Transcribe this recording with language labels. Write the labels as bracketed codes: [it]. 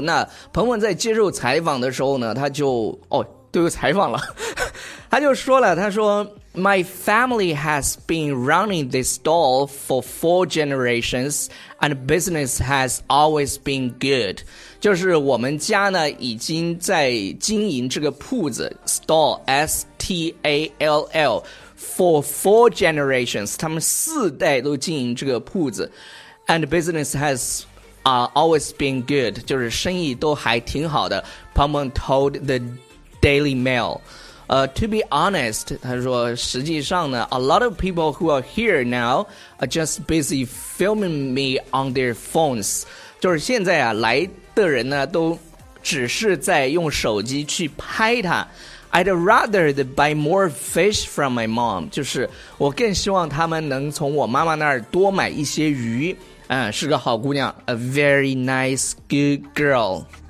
[zh] 那彭彭在接受采访的时候呢，他就都有采访了，他就说了，他说 [en] My family has been running this stall for four generations and business has always been good， [zh] 就是我们家呢已经在经营这个铺子 stall STALL [en] for four generations， [zh] 他们四代都经营这个铺子 [en] and business has always been good， [zh] 就是生意都还挺好的。 [en] Peng Peng told the Daily Mail to be honest， [zh] 他说实际上呢 [en] a lot of people who are here now are just busy filming me on their phones， [zh] 就是现在啊来的人呢都只是在用手机去拍他。 [en] I'd rather buy more fish from my mom， [zh] 就是我更希望他们能从我妈妈那儿多买一些鱼。嗯，是个好姑娘， [en] a very nice good girl。